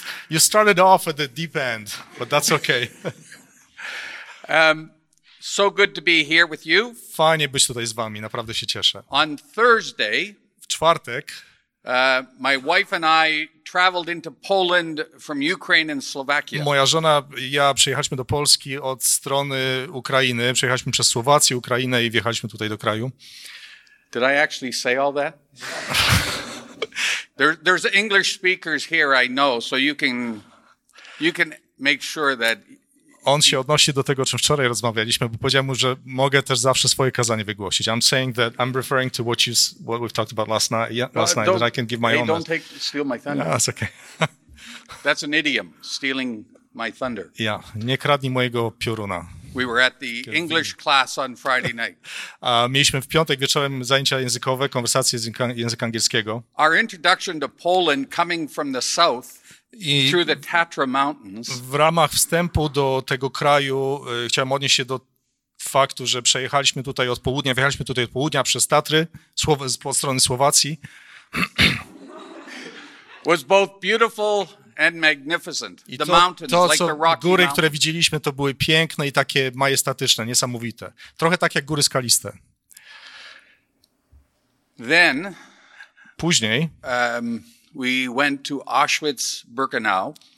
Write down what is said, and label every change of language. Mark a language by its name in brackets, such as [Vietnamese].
[English] You started off at the deep end, but that's okay. So good to be here with you. [Polish] Fajnie być tutaj z wami, naprawdę się cieszę. [English] On Thursday, [Polish] w czwartek, [English] my wife and I traveled into Poland from Ukraine and Slovakia. [Polish] Moja żona i ja przyjechaliśmy do Polski od strony Ukrainy, przejechaliśmy przez Słowację, Ukrainę i wjechaliśmy tutaj do kraju. [English] Did I actually say all that? There's English speakers here, I know, so you can make sure that. [Polish] On się odnosi do tego, o czym wczoraj rozmawialiśmy, bo powiedział mu, że mogę też zawsze swoje kazanie wygłosić. [English] I'm saying that I'm referring to what we've talked about last night that I can give my own. Steal my thunder. No, that's okay. That's an idiom, stealing my thunder. [Polish] Yeah, nie kradnij mojego pioruna. [English] We were at the English class on Friday night. [Polish] Mieliśmy w piątek wieczorem zajęcia językowe, konwersacje języka angielskiego. [English] Our introduction to Poland coming from the south. I through the Tatra Mountains. [Polish] W ramach wstępu do tego kraju chciałem odnieść się do faktu, że przejechaliśmy tutaj od południa, wjechaliśmy tutaj od południa przez Tatry po stronie Słowacji. [English] Was both beautiful and magnificent. [Polish] I góry, które widzieliśmy, to były piękne i takie majestatyczne, niesamowite. Trochę tak jak góry skaliste. [English] Then, [Polish] później [English] we went to Auschwitz-Birkenau.